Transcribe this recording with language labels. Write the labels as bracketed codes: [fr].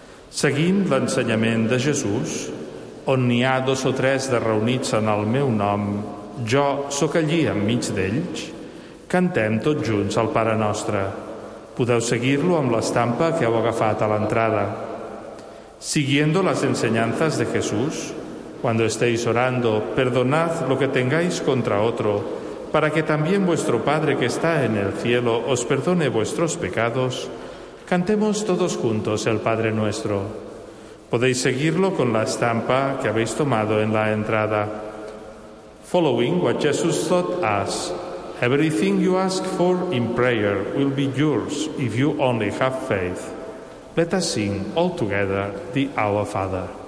[ca] Seguint l'ensenyament de Jesús, on n'hi ha dos o tres de reunits en el meu nom, jo sóc allí enmig d'ells, cantem tots junts el Pare Nostre. Podeu seguir-lo amb l'estampa que heu agafat a l'entrada. [es] Siguiendo las enseñanzas de Jesús, cuando estéis orando, perdonad lo que tengáis contra otro, para que también vuestro Padre que está en el cielo os perdone vuestros pecados, cantemos todos juntos el Padre Nuestro. Podéis seguirlo con la estampa que habéis tomado en la entrada. [en] Following what Jesus taught us, everything you ask for in prayer will be yours if you only have faith. Let us sing all together the Our Father.